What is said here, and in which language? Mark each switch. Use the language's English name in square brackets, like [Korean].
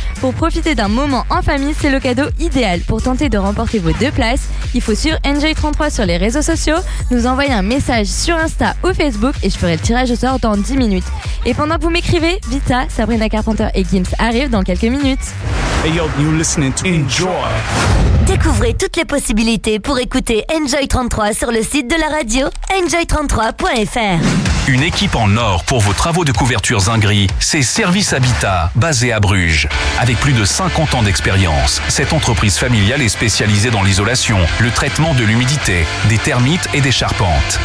[French] Pour profiter d'un moment en famille, c'est le cadeau idéal. Pour tenter de remporter vos deux places, il faut suivre Enjoy 33 sur les réseaux sociaux, nous envoyer un message sur Insta ou Facebook et je ferai le tirage au sort dans 10 minutes. Et pendant que vous m'écrivez, Vita, Sabrina Carpenter et Gims arrivent dans quelques minutes. [English] Hey yo, you listening to Enjoy. [French] Découvrez toutes les possibilités pour écouter Enjoy 33 sur le site de la radio enjoy33.fr. Une équipe en or pour vos travaux de couverture zingri, c'est Service Habitat, basé à Bruges. Avec plus de 50 ans d'expérience, cette entreprise familiale est spécialisée dans l'isolation, le traitement de l'humidité, des termites et des charpentes.